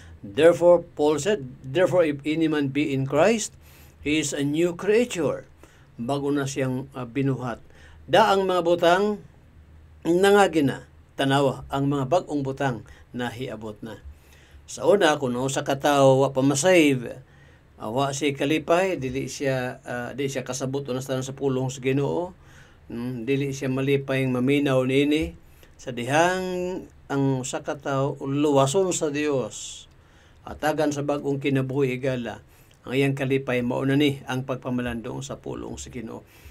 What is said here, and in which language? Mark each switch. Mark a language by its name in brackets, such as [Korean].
[English] Therefore, Paul said, therefore, if any man be in Christ, he is a new creature. [Cebuano] Bago na siyang binuhat. Da ang mga butang, nangagi na, tanawa, ang mga bagong butang na hiabot na. Sa una, kung nao sa katao, wa pa masave, wa si kalipay, dili siya kasabot o nasa sa pulong sa Ginoo, dili siya malipay ang maminaw nini, sa dihang ang sa katao, luwason sa Dios, atagan sa bagong kinabuhi igala, ang iyang kalipay mauna ni ang pagpamalandong sa pulong sa Ginoo.